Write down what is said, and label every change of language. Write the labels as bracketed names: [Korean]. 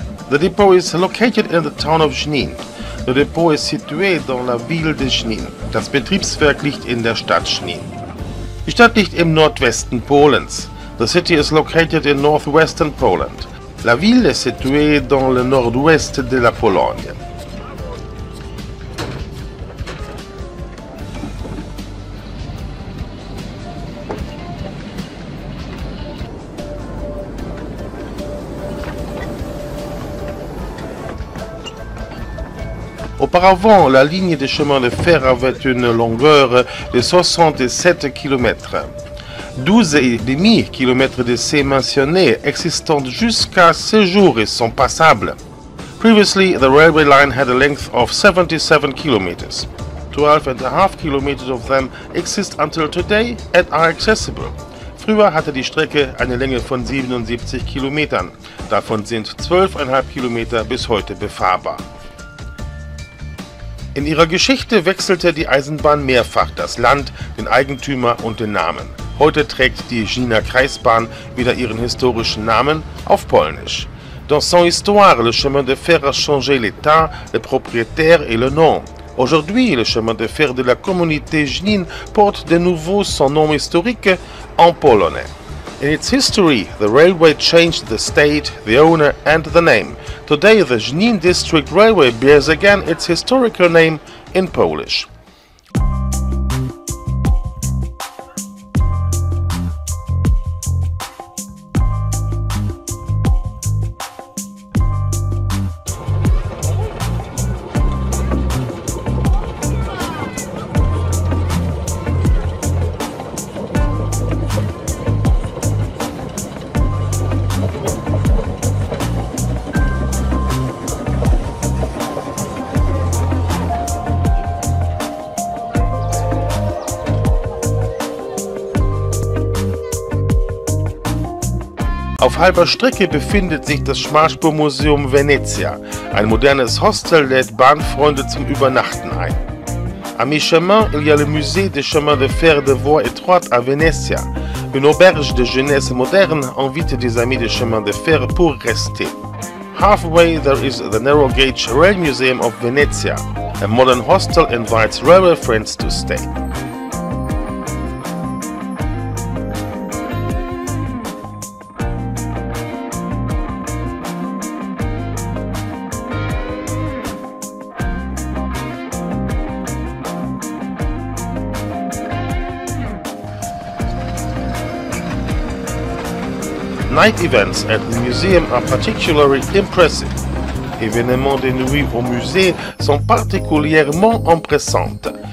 [English] The depot is located in the town of Jenin. [French] Le depot est situé dans la ville de Jenin. [German] Das Betriebswerk liegt in der Stadt Jenin. Die Stadt liegt im Nordwesten Polens. [English] The city is located in northwestern Poland. [French] La ville est située dans le nord-ouest de la Pologne. Auparavant, la ligne de chemin de fer avait une longueur de 67 km. 12,5 km de ces mentionnés existant jusqu'à ce jour et sont passables. [English] Previously, the railway line had a length of 77 km. 12,5 km of them exist until today and are accessible. [German] Früher hatte die Strecke eine Länge von 77 km. Davon sind 12,5 km bis heute befahrbar. In ihrer Geschichte wechselte die Eisenbahn mehrfach das Land, den Eigentümer und den Namen. Heute trägt die Jeniner Kreisbahn wieder ihren historischen Namen auf Polnisch. [French] Dans son histoire, le chemin de fer a changé l'état, le propriétaire et le nom. Aujourd'hui, le chemin de fer de la communauté Jenin porte de nouveau son nom historique en polonais. [English] In its history, the railway changed the state, the owner and the name. Today, the Jenin District Railway bears again its historical name in Polish. [German] Auf halber Strecke befindet sich das Schmalspurmuseum Venezia. Ein modernes Hostel lädt Bahnfreunde zum Übernachten ein. [French] A mi-chemin, il y a le musée des chemins de fer de voie étroite à Venezia. Une auberge de jeunesse moderne invite des amis des chemins de fer pour rester. [English] Halfway, there is the Narrow Gauge Rail Museum of Venezia. A modern hostel invites railway friends to stay. Night events at the museum are particularly impressive. [French] Événements de nuit au musée sont particulièrement impressionnants.